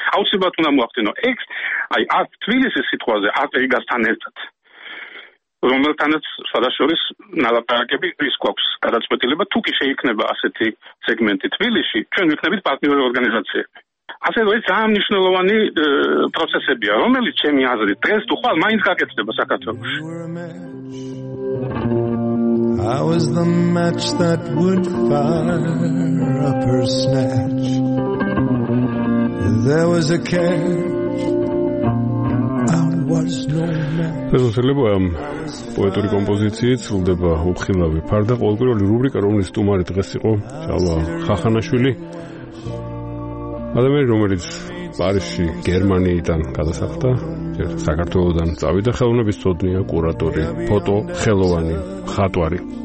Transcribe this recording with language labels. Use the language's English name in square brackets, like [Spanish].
[Georgian] აუცილებლად უნდა მოახდინო ეგ, აი არ თბილისის სიტყვაზე, არ ეგასთან ერთად, რომელთანაც სადაშორის ნალაპარაკები ის გვაქვს გადაწყვეტილება, თუ კი შეიქმნება ასეთი სეგმენტი თბილისში, ჩვენ ვიქნებით პარტნიორული ორგანიზაციები. ასე რომ ეს ძალიან მნიშვნელოვანი პროცესებია, რომელიც ჩემი აზრით დღეს თუ ხვალ მაინც გაკეთდება საქართველოში. [English] I was the match that would fire up her snatch. There was a catch. I was no match. [Georgian] ფილოსოფიულ პოეტური კომპოზიციით სრულდება უხილავი ფარდა ყოველგვარი რუბრიკა, რომლის სტუმარი დღეს იყო ჯალა ხახანაშვილი. ადამიანი, რომელიც პარიზში, გერმანიიდან გადასახლდა, საქართველოდან წავიდა, ხელოვნების ცოდნია, კურატორი, ფოტო ხელოვანი, მხატვარი.